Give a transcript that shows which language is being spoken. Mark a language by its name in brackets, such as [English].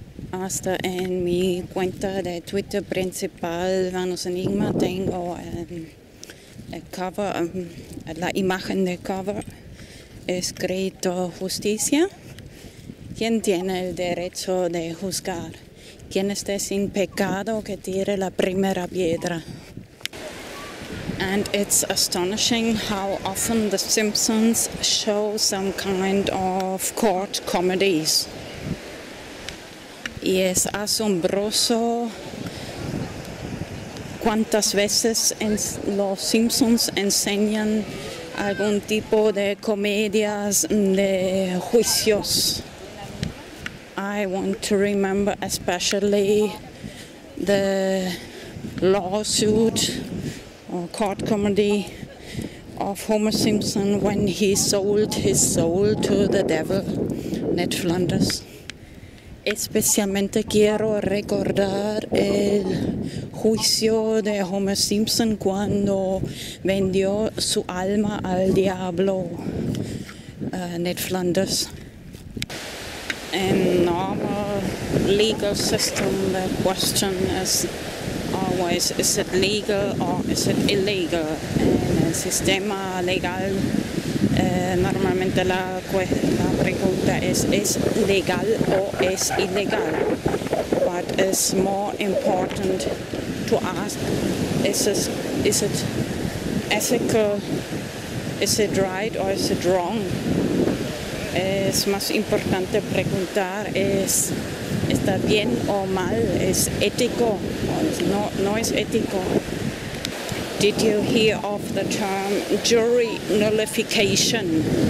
[Spanish] Hasta en mi cuenta de Twitter principal, Vanos Enigma, tengo la imagen de cover escrito justicia. ¿Quién tiene el derecho de juzgar? ¿Quién esté sin pecado que tire la primera piedra? [English] And it's astonishing how often The Simpsons show some kind of court comedies. [Spanish] Y es asombroso cuántas veces en los Simpsons enseñan algún tipo de comedias de juicios. [English] I want to remember especially the lawsuit or court comedy of Homer Simpson when he sold his soul to the devil, Ned Flanders. [Spanish] Especialmente quiero recordar el juicio de Homer Simpson cuando vendió su alma al diablo, Ned Flanders. [English] In normal legal system, the question is always, is it legal or is it illegal? [Spanish] En el sistema legal, normalmente la pregunta es legal o es ilegal? [English] But it's more important to ask, is it ethical, is it right or is it wrong? [Spanish] Es más importante preguntar, ¿está bien o mal? ¿Es ético o no es ético? [English] Did you hear of the term jury nullification?